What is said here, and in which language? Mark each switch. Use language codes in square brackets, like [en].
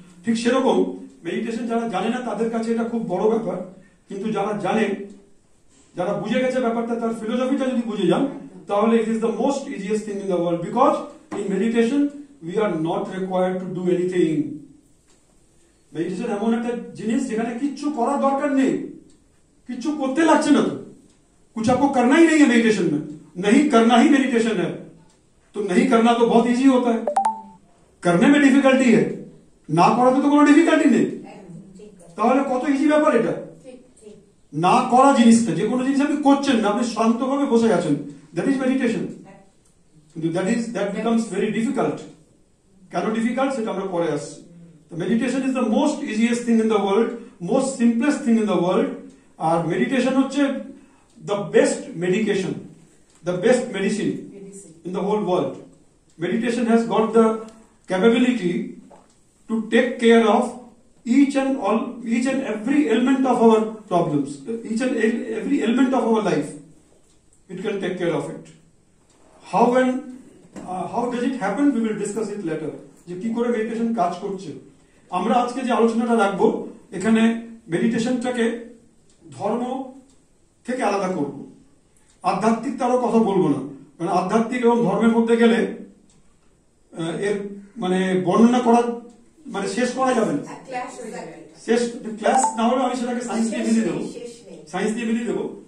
[bn] ঠিক সেরকম মেডিটেশন যারা জানে না তাদের কাছে এটা খুব বড় ব্যাপার, কিন্তু যারা জানে, যারা বুঝে গেছে ব্যাপারটা, তার ফিলোসফিটা যদি বুঝে যান, তাহলে [en] It is the most easiest thing in the world. Because in meditation we are not required to do anything. [bn] Meditation এমন একটা জিনিস যেখানে কিচ্ছু করার দরকার নেই, কিচ্ছু করতে লাগছে না, তো [hi] কুছ আপকো করনা হি নাহি হ্যায় মেডিটেশন মে, নাহি করনা হি মেডিটেশন হ্যায়। तो नहीं करना तो बहुत इजी होता है, करने में डिफिकल्टी है, ना करा तो कोई डिफिकल्टी नहीं। [bn] তাহলে কত ইজি ব্যাপার এটা, না করা জিনিসটা, যে কোনো জিনিস আপনি করছেন না, আপনি শান্তভাবে বসে আছেন, [en] That is meditation. [bn] কিন্তু [en] That becomes very difficult. [bn] কেন ডিফিকাল্ট সেটা আমরা পরে আসছি। [en] তো meditation is the most easiest thing in the world, most simplest thing in the world. [bn] আর meditation হচ্ছে [en] The best medication, the best medicine in the whole world. Meditation has got the capability to take care of each and every element of our problems, each and every element of our life. It can take care of it. How does it happen, we will discuss it later. [bn] Je ki kore meditation kaaj korche, amra ajke je alochona ta rakhbo ekhane, meditation ta ke dharmo theke alada korbo, adhyatmik taro kotha bolbo na, মানে আধ্যাত্মিক এবং ধর্মের মধ্যে গেলে এর মানে বর্ণনা করা মানে শেষ করা যাবে না, শেষ ক্লাস না হলে আমি সেটাকে সায়েন্স দিয়ে মিলিয়ে দেবো, সায়েন্স দিয়ে মিলিয়ে দেবো।